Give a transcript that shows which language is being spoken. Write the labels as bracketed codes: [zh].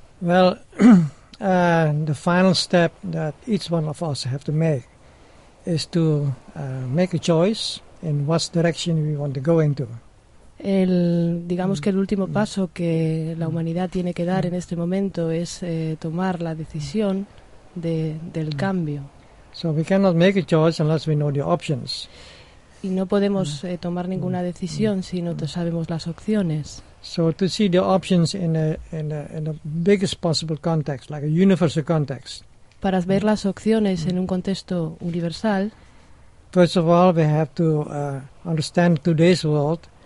[en] Well, the final step that each one of us have to make is to make a choice in what direction we want to go into. [es] El, digamos que el último paso que la humanidad tiene que dar en este momento es tomar la decisión del cambio. [en] So we cannot make a choice unless we know the options. [es] Y no podemos tomar ninguna decisión si no sabemos las opciones. [en] So to see the options in the biggest possible context, like a universal context. [es] Para ver las opciones en un contexto universal. [en] First of all, we have to understand today's world.